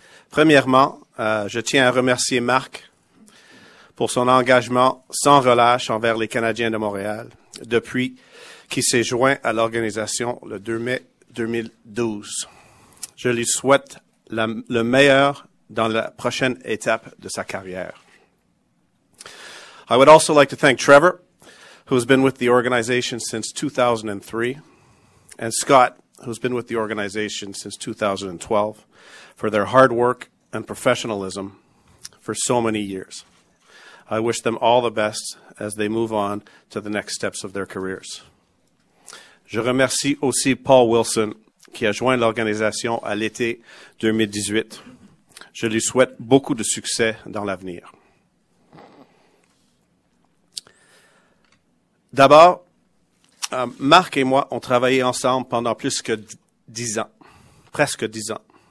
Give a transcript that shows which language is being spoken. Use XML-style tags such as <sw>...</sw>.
<fr>Premièrement, je tiens à remercier Marc pour son engagement sans relâche envers les Canadiens de Montréal depuis qu'il s'est joint à l'organisation le 2 mai 2012. Je lui souhaite le meilleur dans la prochaine étape de sa carrière.</fr> <en>I would also like to thank Trevor, who has been with the organization since 2003, and Scott, who's been with the organization since 2012, for their hard work and professionalism for so many years. I wish them all the best as they move on to the next steps of their careers.</en> <fr>Je remercie aussi Paul Wilson, qui a joint l'organisation à l'été 2018. Je lui souhaite beaucoup de succès dans l'avenir. D'abord, Marc et moi ont travaillé ensemble pendant presque 10 ans.</fr>